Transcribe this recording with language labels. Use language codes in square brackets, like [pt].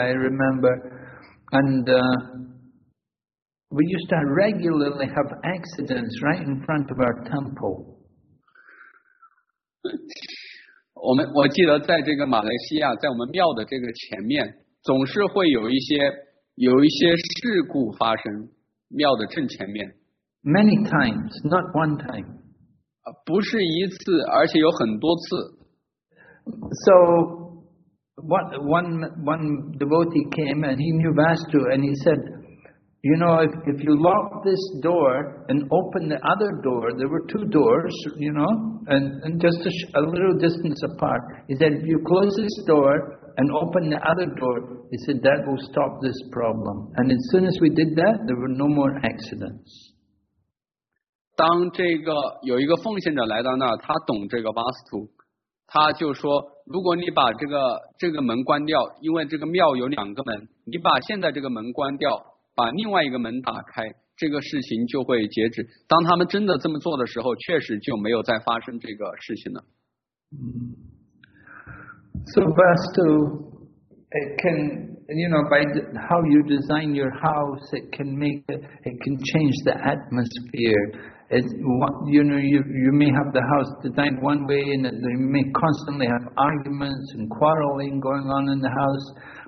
[en] I remember, and we used to regularly have accidents right in front of our temple. [zh] 我记得在这个马来西亚，在我们庙的这个前面，总是会有一些事故发生，庙的正前面。 [en] Many times, not one time. [zh] 不是一次，而且有很多次。 [en] So, one devotee came and he knew Vastu and he said, You know, if you lock this door and open the other door, there were two doors, you know, and just a little distance apart. He said, if you close this door and open the other door, he said, that will stop this problem. And as soon as we did that, there were no more accidents. [zh] 当这个有一个奉献者来到那儿，他懂这个巴斯图，他就说，如果你把这个门关掉，因为这个庙有两个门，你把现在这个门关掉，把另外一个门打开，这个事情就会截止。当他们真的这么做的时候，确实就没有再发生这个事情了。 [en] So Vastu, it can, you know, by how you design your house, it can make it can change the atmosphere. It's what, you know, you may have the house designed one way, and they may constantly have arguments and quarreling going on in the house.